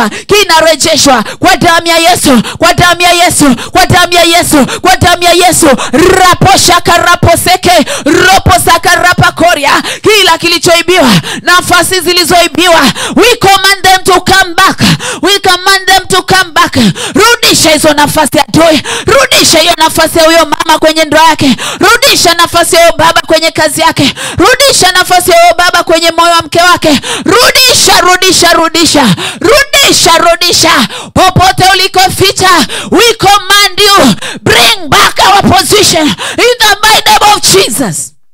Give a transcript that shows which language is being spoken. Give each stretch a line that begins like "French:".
Swahili: Kina rejeshwa kwa damu ya Yesu, kwa damu ya Yesu, kwa damu ya Yesu, kwa damu ya Yesu. Raposha karaposeke ropo sakarapa koria. Kila kilichoibiwa, nafasi zilizoibiwa,
English: we command them to come back. We command them to come back.
Swahili: Rudisha hizo nafasi ya joy. Rudisha hiyo nafasi ya huyo mama kwenye ndoa yake. Rudisha nafasi ya huyo baba kwenye kazi yake. Rudisha nafasi ya huyo baba kwenye moyo wa mke wake. Rudisha, rudisha, rudisha. Rudisha, rudisha. Popote ulikoficha,
English: we command you, bring back our position in the mighty name of Jesus.